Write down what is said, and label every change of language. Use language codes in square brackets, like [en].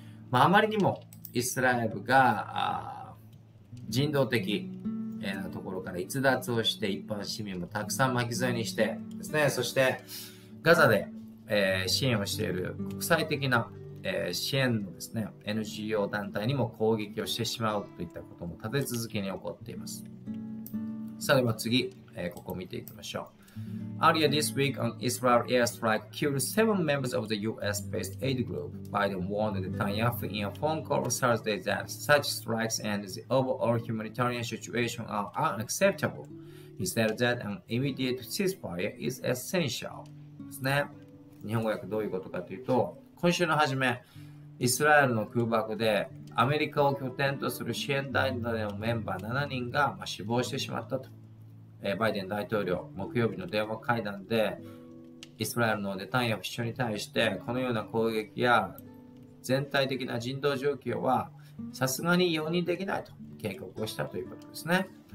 [ja] まあ、あまりにもイスラエルが人道的なところから逸脱をして、一般市民もたくさん巻き添えにしてですね、そしてガザで支援をしている国際的な支援のですね、NGO 団体にも攻撃をしてしまうといったことも立て続けに起こっています。さあでは次、ここを見ていきましょう。 [en] Earlier this week, an Israel airstrike killed seven members of the US-based aid group. Biden warned Netanyahu in a phone call Thursday that such strikes and the overall humanitarian situation are unacceptable. He said that an immediate ceasefire is essential. [ja] ですね。日本語訳どういうことかというと、今週の初め、イスラエルの空爆でアメリカを拠点とする支援団体のメンバー7人が死亡してしまったと。バイデン大統領、木曜日の電話会談でイスラエルのネタニヤフ首相に対して、このような攻撃や全体的な人道状況はさすがに容認できないと警告をしたということですね。